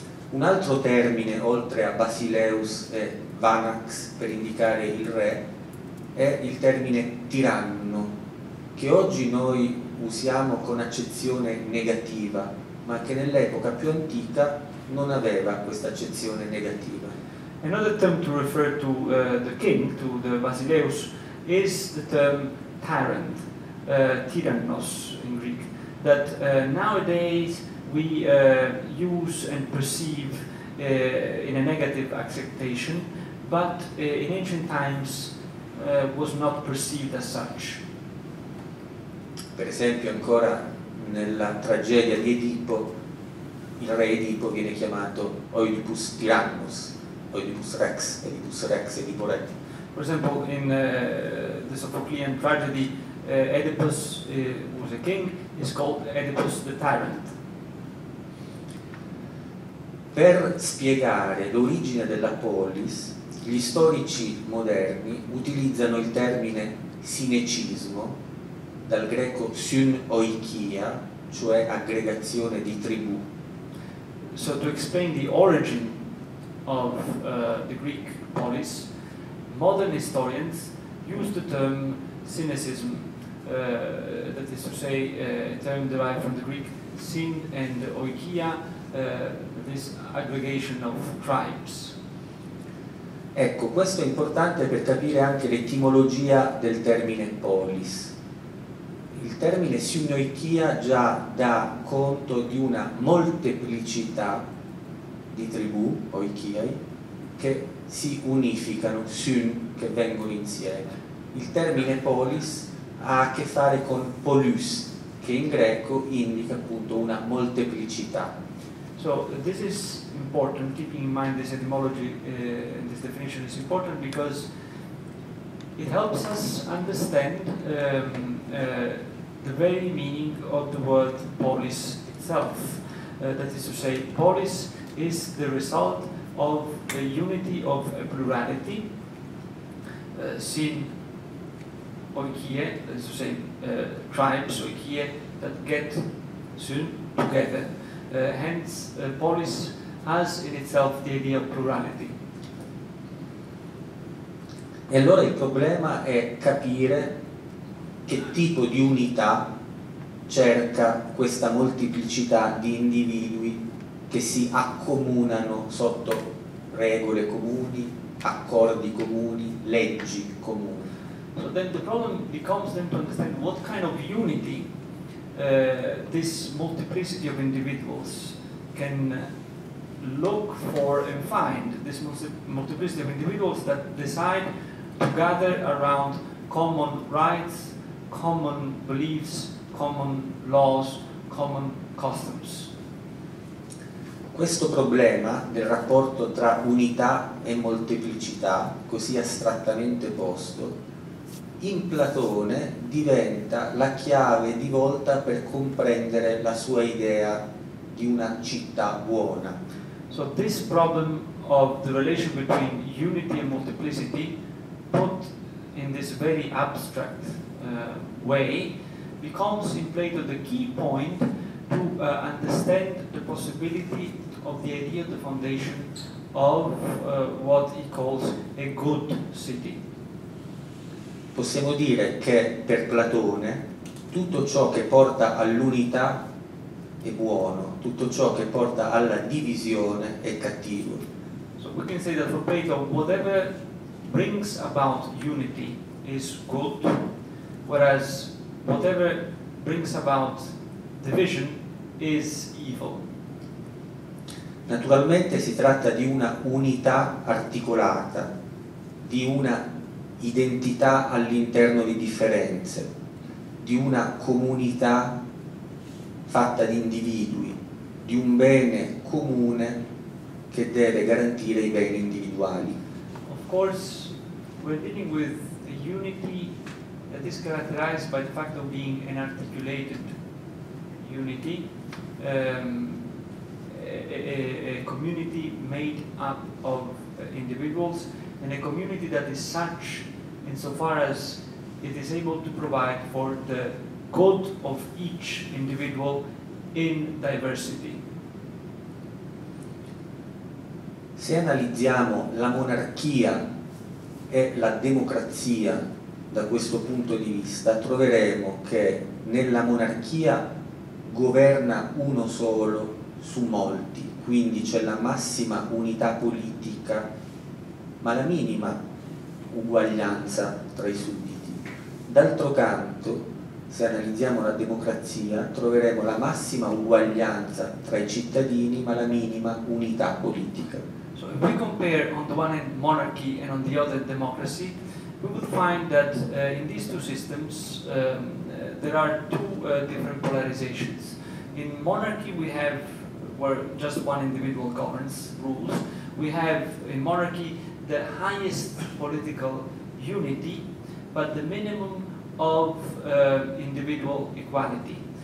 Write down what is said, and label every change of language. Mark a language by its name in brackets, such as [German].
[Italian] Un altro termine, oltre a Basileus e Vanax per indicare il re, è il termine tiranno, che oggi noi usiamo con accezione negativa, ma che nell'epoca più antica non aveva questa accezione negativa. [English] Another term to refer to the king, to the Basileus, is the term tyrant, tyrannos in Greek, that nowadays we use and perceive in a negative acceptation, but in ancient times was not perceived as such. [Italian] Per esempio, ancora nella tragedia di Edipo, il re Edipo viene chiamato Oedipus Tyrannus, Oedipus Rex, Oedipus Rex, Edipo Re. [English] For example, in the Sophoclean tragedy, Oedipus, who was a king, is called Oedipus the Tyrant. [Italian] Per spiegare l'origine della polis, gli storici moderni utilizzano il termine sinecismo, dal greco synoikia, cioè aggregazione di tribù. [English] So to explain the origin of the Greek polis, modern historians use the term synecism, that is to say a term derived from the Greek syn and oikia, this aggregation of tribes. [Italian] Ecco, questo è importante per capire anche l'etimologia del termine polis. Il termine synoikia già dà conto di una molteplicità di tribù, oikiai, che si unificano, syn, che vengono insieme. Il termine polis ha a che fare con polus, che in greco indica appunto una molteplicità. [English] So this is important, keeping in mind this etymology, this definition is important because it helps us understand the very meaning of the word polis itself. That is to say, polis is the result of the unity of a plurality, syn oikie, that is to say, tribes oikie, that get syn together. Hence, polis has in itself the idea of plurality. [Italian] E allora il problema è capire che tipo di unità cerca questa molteplicità di individui che si accomunano sotto regole comuni, accordi comuni, leggi comuni. [English] So then the problem becomes then to understand what kind of unity this multiplicity of individuals can look for and find, this multiplicity of individuals that decide to gather around common rights, common beliefs, common laws, common customs. [Italian] Questo problema del rapporto tra unità e molteplicità, così astrattamente posto, in Platone diventa la chiave di volta per comprendere la sua idea di una città buona. [English] So this problem of the relation between unity and multiplicity, put in this very abstract way, becomes in Plato the key point to understand the possibility of the idea of the foundation of what he calls a good city. [Italian] Possiamo dire che per Platone tutto ciò che porta all'unità è buono, tutto ciò che porta alla divisione è cattivo. [English] So we can say that for Plato whatever brings about unity is good, whereas whatever brings about division is evil. [Italian] Naturalmente si tratta di una unità articolata, di una identità all'interno di differenze, di una comunità fatta di individui, di un bene comune che deve garantire i beni individuali. [English] Of course, we're dealing with a unity that is characterized by the fact of being an articulated unity, a community made up of individuals, and a community that is such insofar as it is able to provide for the good of each individual in diversity. [Italian] Se analizziamo la monarchia e la democrazia da questo punto di vista, troveremo che nella monarchia governa uno solo su molti, quindi c'è la massima unità politica, ma la minima uguaglianza tra i sudditi. D'altro canto, se analizziamo la democrazia, troveremo la massima uguaglianza tra i cittadini, ma la minima unità politica. [English] So if we compare on the one hand monarchy and on the other democracy, we would find that in these two systems there are two different polarizations. In monarchy we have where just one individual governs, rules. We have in monarchy the highest political unity, but the minimum of individual equality.